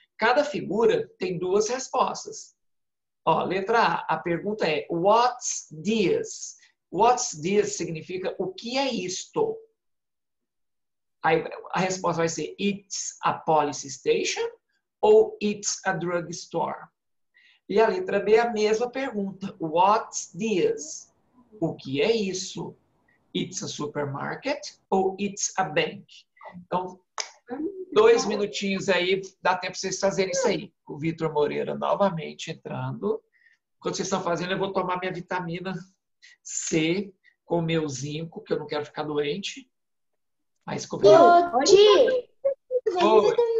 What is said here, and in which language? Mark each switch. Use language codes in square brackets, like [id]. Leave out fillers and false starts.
[pt] Cada figura tem duas respostas. Ó, letra A, a pergunta é, [en] what's this? What's this [pt] significa o que é isto? Aí a resposta vai ser, [en] it's a police station [pt] ou [en] it's a drug store? [pt] E a letra B é a mesma pergunta. [en] What's this? [pt] O que é isso? [en] It's a supermarket ou it's a bank? [pt] Então, dois minutinhos aí, dá tempo para vocês fazerem isso aí. O Vitor Moreira novamente entrando. Enquanto vocês estão fazendo, eu vou tomar minha vitamina C com o meu zinco, que eu não quero ficar doente. Mas como... Eu te... Oi.